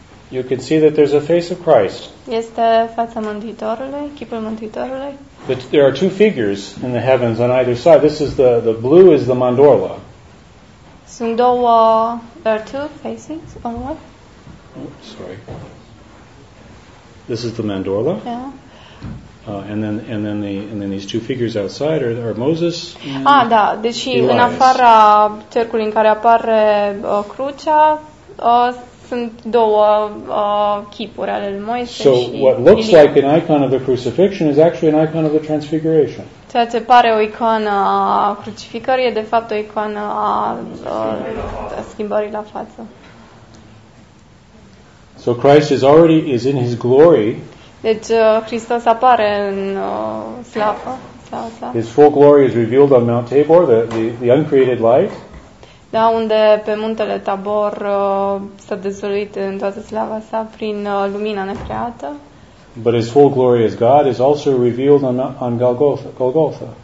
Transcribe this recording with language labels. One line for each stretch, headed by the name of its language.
English: You can see that there's a face of Christ.
Romanian: Este fața Mântuitorului, chipul Mântuitorului.
English: There are two figures in the heavens on either side. This is the blue is the mandorla.
Romanian: Sunt două,
English: there are two faces on what? Oh, sorry. This is the mandorla. Yeah. And then these two figures outside are Moses.
Romanian: Ah, da, deci
English: Elias.
Romanian: În afara cercului în care apare crucea, sunt două chipuri ale lui Moise
English: so
Romanian: și
English: So what looks
Romanian: Ilie.
English: Like an icon of the crucifixion is actually an icon of the transfiguration.
Romanian: Ceea ce pare o icoană a crucificării e de fapt o icoană a schimbării la față.
English: So Christ is already in his glory.
Romanian: Deci Hristos apare în slavă.
English: His full glory is revealed on Mount Tabor, the uncreated light.
Romanian: Da, unde pe muntele Tabor s-a dezvăluit în toată slava sa prin lumina necreată.
English: But his full glory as God is also revealed on Golgotha.